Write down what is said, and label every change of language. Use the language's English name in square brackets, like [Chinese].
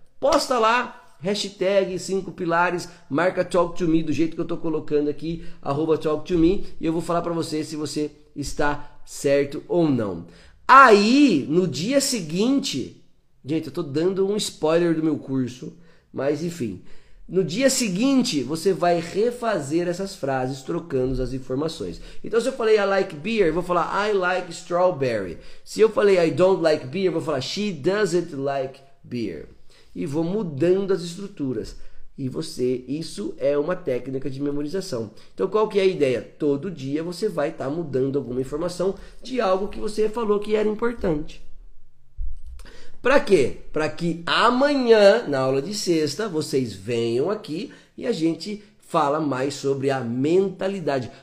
[Portuguese] Posta lá, hashtag 5 pilares, marca talk to me do jeito que eu estou colocando aqui, arroba talk to me, e eu vou falar para você se você está certo ou não. Aí, no dia seguinte, gente, eu estou dando um spoiler do meu curso, mas enfim. No dia seguinte, você vai refazer essas frases trocando as informações. Então, se eu falei [English] I like beer, [Portuguese] eu vou falar [English] I like strawberry. [Portuguese] Se eu falei [English] I don't like beer, [Portuguese] eu vou falar [English] she doesn't like beer. [Portuguese] E vou mudando as estruturas. E você, isso é uma técnica de memorização. Então, qual que é a ideia? Todo dia você vai estar mudando alguma informação de algo que você falou que era importante. Para quê? Para que amanhã, na aula de sexta, vocês venham aqui e a gente fala mais sobre a mentalidade.